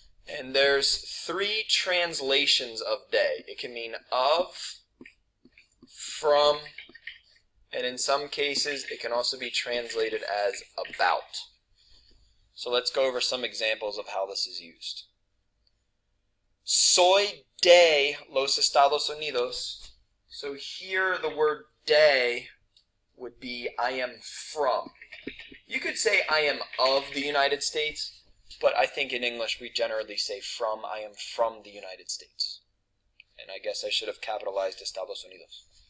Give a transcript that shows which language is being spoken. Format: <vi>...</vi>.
<en>And there's three translations of day. It can mean of, from, and in some cases it can also be translated as about. So let's go over some examples of how this is used.</en> <es>Soy de los Estados Unidos.</es> <en>So here the word day would be I am from. You could say I am of the United States, but I think in English we generally say from. I am from the United States. And I guess I should have capitalized Estados Unidos.</en>